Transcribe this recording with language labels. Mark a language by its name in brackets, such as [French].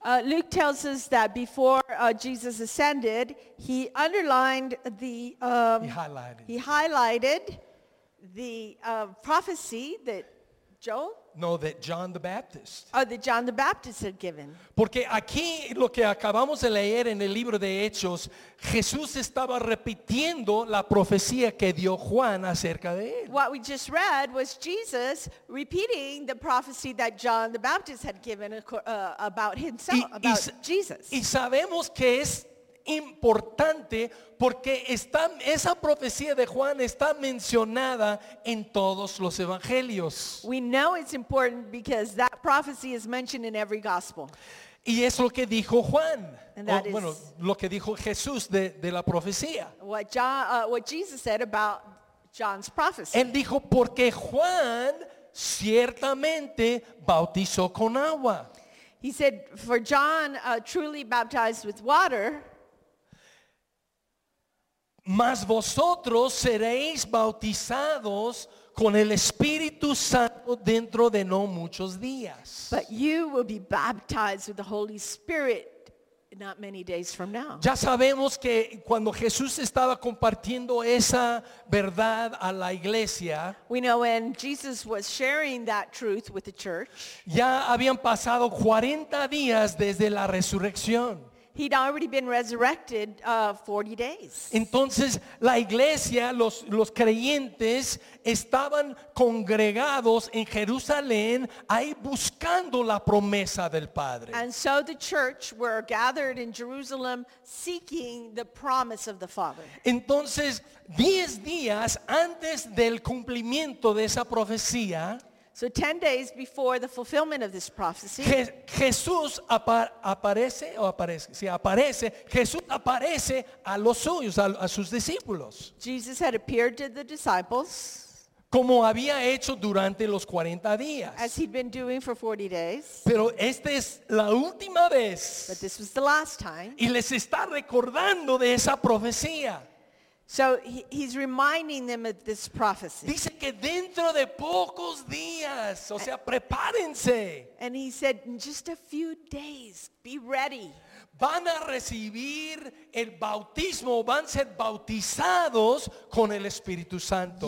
[English] Luke tells us that before Jesus ascended, he underlined the prophecy that John the Baptist. That John the Baptist had given. [Spanish] Porque aquí lo que acabamos de leer en el libro de Hechos, Jesús estaba repitiendo la profecía que dio Juan acerca de él. [English] What we just read was Jesus repeating the prophecy that John the Baptist had given about himself, Jesus. [Spanish] Y sabemos que es importante porque esa profecía de Juan está mencionada en todos los evangelios. [English] We know it's important because that prophecy is mentioned in every gospel. [Spanish] Y es lo que dijo Juan. [English] And that [Spanish] lo que dijo Jesús de la profecía. [English] What Jesus said about John's prophecy. [Spanish] Él dijo porque Juan ciertamente bautizó con agua. [English] He said for John truly baptized with water. [Spanish] Mas vosotros seréis bautizados con el Espíritu Santo dentro de no muchos días. [English] But you will be baptized with the Holy Spirit not many days from now. [Spanish] Ya sabemos que cuando Jesús estaba compartiendo esa verdad a la iglesia, [English] we know when Jesus was sharing that truth with the church, [Spanish] ya habían pasado 40 días desde la resurrección. [English] He'd already been resurrected 40 days. [Spanish] Entonces, la iglesia, los creyentes, estaban congregados en Jerusalén, ahí buscando la promesa del Padre. [English] And so the church were gathered in Jerusalem seeking the promise of the Father. [Spanish] Entonces, 10 días antes del cumplimiento de esa profecía, [English] so 10 days before the fulfillment of this prophecy, [Spanish] Jesús aparece a los suyos, a sus discípulos. [English] Jesus had appeared to the disciples, [Spanish] como había hecho durante los 40 días. [English] As he'd been doing for 40 days. [Spanish] Pero esta es la última vez. [English] But this was the last time. [Spanish] Y les está recordando de esa profecía. [English] So he's reminding them of this prophecy. [Spanish] Dice que dentro de pocos días, o sea, prepárense. [English] And he said, in just a few days, be ready. [Spanish] Van a recibir el bautismo, van a ser bautizados con el Espíritu Santo.